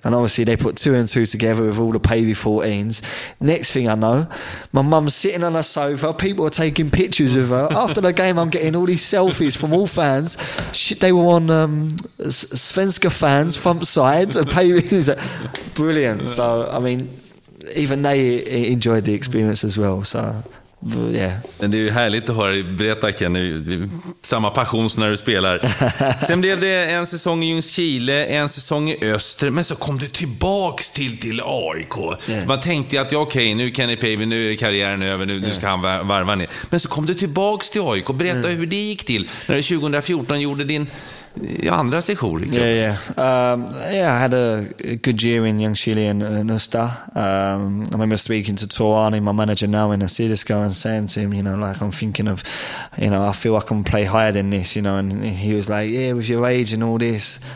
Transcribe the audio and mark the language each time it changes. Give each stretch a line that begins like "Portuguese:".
English: And obviously, they put two and two together with all the Pavey 14s. Next thing I know, my mum's sitting on a sofa. People are taking pictures of her. After the game, I'm getting all these selfies from all fans. They were on Svenska fans, front side. Pavey's brilliant. So, I mean, even they enjoyed the experience as well. So...
Swedish: Men det är ju härligt att höra dig berätta, Kenny, samma passion som när du spelar. Sen blev det en säsong i Ljungskile, en säsong i Öster, men så kom du tillbaks till AIK. Yeah. Man tänkte ju att okej, nu Kenny Pavey, nu är karriären över, nu ska han varva ner. Men så kom du tillbaks till AIK. Berätta hur det gick till när du 2014 gjorde din andra säsong.
English: I had a good year in Ljungskile and Öster. I remember speaking to Torani, my manager now, in Assyrisko, and saying to him, you know, like, I'm thinking of, you know, I feel I can play higher than this, you know. And he was like, yeah, with your age and all this.